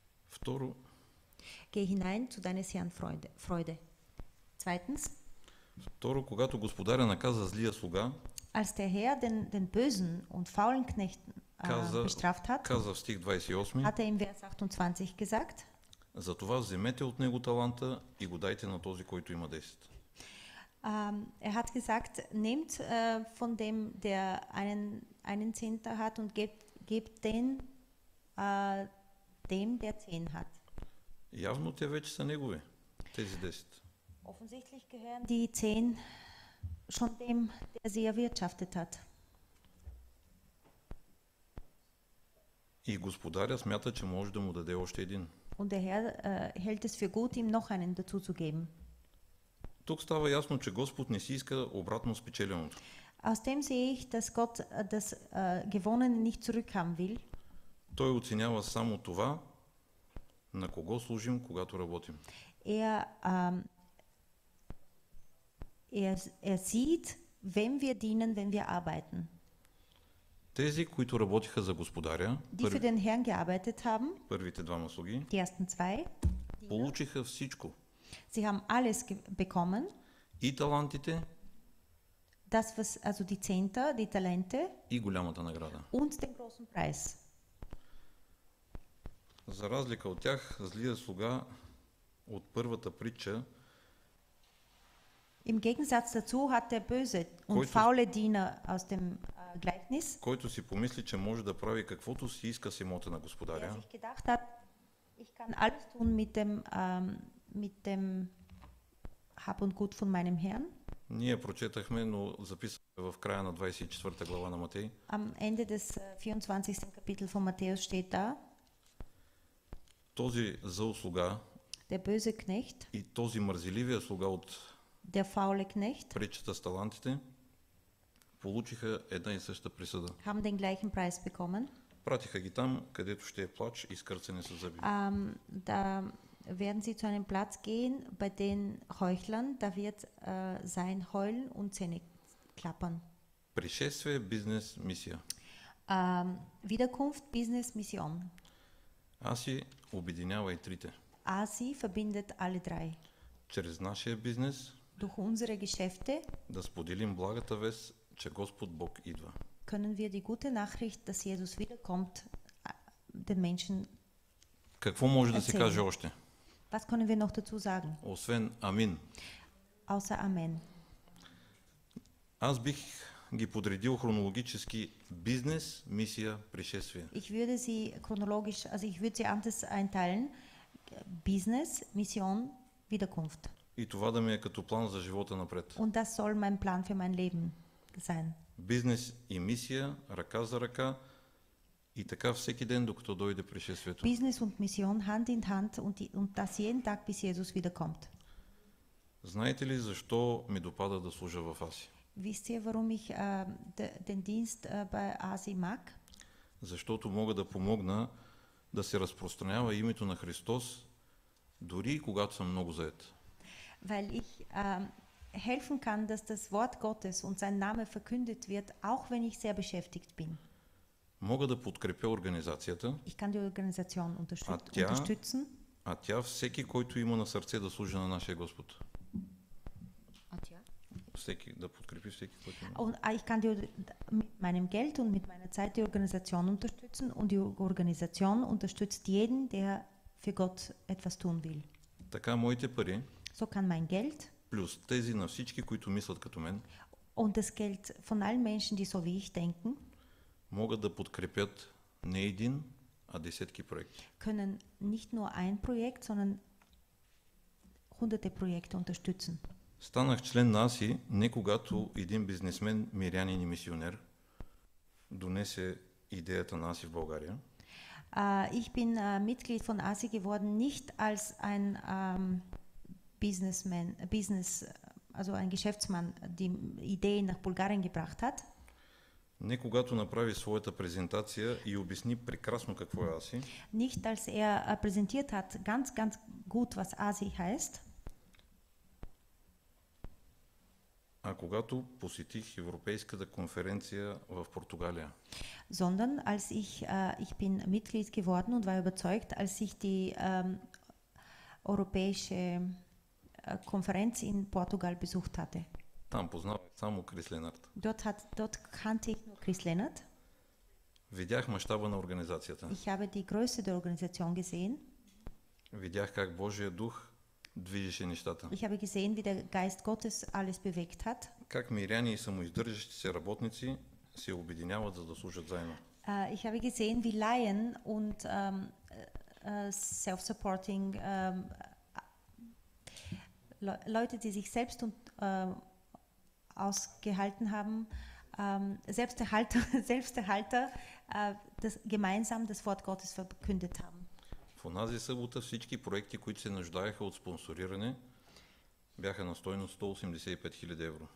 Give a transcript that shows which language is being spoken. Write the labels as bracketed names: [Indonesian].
[Bulgarian] Второ. [German] Geh hinein zu deines Herrn Freude. Zweitens. [Bulgarian] Второ, когато господаря наказа злия слуга, [German] als der Herr den bösen und faulen Knecht bestraft hat, [Bulgarian] каза в стих 28, [German] hat er im Vers 28 gesagt, [Bulgarian] затова вземете от него таланта и го дайте на този, който има 10. [German] Er hat gesagt, nehmt von dem, der einen Zehnter hat und gebt den dem, der 10 hat. [Bulgarian] Явно те вече са негови, тези 10. [German] Offensichtlich gehören die 10 schon dem, der sie erwirtschaftet hat. [Bulgarian] И господаря смята, че може да му даде още един. [German] Und der Herr hält es für gut, ihm noch einen dazu zu geben. [Bulgarian] Тук става ясно, че Господ не си иска обратно спечеленото. [German] Aus dem sehe ich, dass Gott das Gewonnene nicht zurückhaben will. [Bulgarian] Той оценява само това, на кого служим, когато работим. [German] Er sieht, wem wir dienen, wenn wir arbeiten. [Bulgarian] Тези, които работиха за господаря, [German] für den Herrn gearbeitet haben, [Bulgarian] първите двама слуги, [German] die ersten zwei, [Bulgarian] получиха всичко. [German] Sie haben alles bekommen. [Bulgarian] И талантите, [German] das was, also die Zehnter, die Talente, [Bulgarian] и голямата награда. [German] Und den großen Preis. [Bulgarian] За разлика от тях, злия слуга от първата притча, [German] im Gegensatz dazu hat der böse und faule Diener aus dem Gleichnis, [Bulgarian] който си помисли, че може да прави каквото си иска с имота на господаря. [German] Der sich gedacht hat, ich kann alles tun mit dem Hab und Gut von meinem Herrn. [Bulgarian] Ние прочетахме, но записахме в края на 24-та глава на Матей. [German] Am Ende des 24. Kapitel von Matthäus steht da. [Bulgarian] Този зъл слуга, [German] der böse Knecht, [Bulgarian] и този мързеливия слуга от [German] der faule Knecht, [Bulgarian] притчата с талантите, получиха една и съща присъда. [German] Haben den gleichen Preis bekommen. [Bulgarian] Пратиха ги там, където ще е плач и скърцане със зъби. [German] Da werden sie zu einem Platz gehen, bei den Heuchlern, da wird sein Heulen und Zähne klappern. [Bulgarian] Пришествие, бизнес, мисия. [German] Wiederkunft, Business, Mission. [Bulgarian] Аси обединява и трите. [German] Аси verbindet alle drei. [Bulgarian] Чрез нашия бизнес, [German] durch unsere Geschäfte, [Bulgarian] да споделим благата вест, че Господ Бог идва. [German] Können wir die gute Nachricht, dass Jesus wiederkommt, den Menschen erzählen. [Bulgarian] Какво може да се каже още? [German] Was können wir noch dazu sagen? [Bulgarian] Освен амин. [German] Außer Amen. [Bulgarian] Аз бих ги подредил хронологически бизнес, мисия, пришествие. [German] Ich würde sie chronologisch, also ich würde sie anders einteilen. Business, Mission, Wiederkunft. [Bulgarian] И това да ми е като план за живота напред. [German] Und das soll mein Plan für mein Leben sein. [Bulgarian] Бизнес и мисия, ръка за ръка, И така всеки ден, докато дойде пришествието. [German] Бизнес und Mission Hand in Hand und das jeden Tag bis Jesus wiederkommt. [Bulgarian] Знаете ли защо ми допада да служа в Аси? [German] Wisst ihr, warum ich den Dienst bei Asi mag? [Bulgarian] Защото мога да помогна да се разпространява името на Христос дори когато съм много зает. [German] Weil ich helfen kann, dass das Wort Gottes und sein Name verkündet wird, auch wenn ich sehr beschäftigt bin. [Bulgarian] Мога да подкрепя организацията. [German] Ich kann die Organisation unterstützen. [Bulgarian] А тя всеки, който има на сърце да служи на нашия Господ. Всеки, да подкрепи всеки, който има. [German] Und ich kann die mit meinem Geld und mit meiner Zeit die Organisation unterstützen und die Organisation unterstützt jeden, der für Gott etwas tun will. [Bulgarian] Така моите пари. [German] So kann mein Geld. [Bulgarian] Плюс тези на всички, които мислят като мен. [German] Und das Geld von allen Menschen, die so wie ich denken. [Bulgarian] Могат да подкрепят не един, а десетки проекти. [German] Können nicht nur ein Projekt, sondern hunderte Projekte unterstützen. [Bulgarian] Станах член на АСИ, не когато един бизнесмен, мирянин и мисионер, донесе идеята на АСИ в България. [German] Ich bin Mitglied von АСИ geworden, nicht als ein Businessman, Business, also ein Geschäftsmann, die Idee nach Bulgarien gebracht hat. [Bulgarian] Не когато направи своята презентация и обясни прекрасно какво е АСИ. [German] Nicht als präsentiert hat, ganz, ganz gut, was АСИ heißt. [Bulgarian] А когато посетих Европейската конференция в Португалия. [German] Sondern als ich bin Mitglied geworden und war überzeugt, als ich die Europäische Konferenz in Portugal besucht hatte. [Bulgarian] Там познавах само Крис Ленард. [German] Dort kannte ich nur Chris Lennart. [Bulgarian] Видях мащаба на организацията. [German] Ich habe die Größe der Organisation gesehen. [Bulgarian] Видях как Божия дух движеше нещата. [German] Ich habe gesehen, wie der Geist Gottes alles bewegt hat. [Bulgarian] Как миряни и самоиздържащи се работници се обединяват, за да служат заедно. [German] Ich habe gesehen, wie Laien und self-supporting Leute, die sich selbst und ausgehalten haben, Selbsterhalter, das gemeinsam das Wort Gottes verkündet haben. [Bulgarian] В онази събота всички проекти, които се нуждаеха от спонсориране, бяха на стойност 185 000 евро.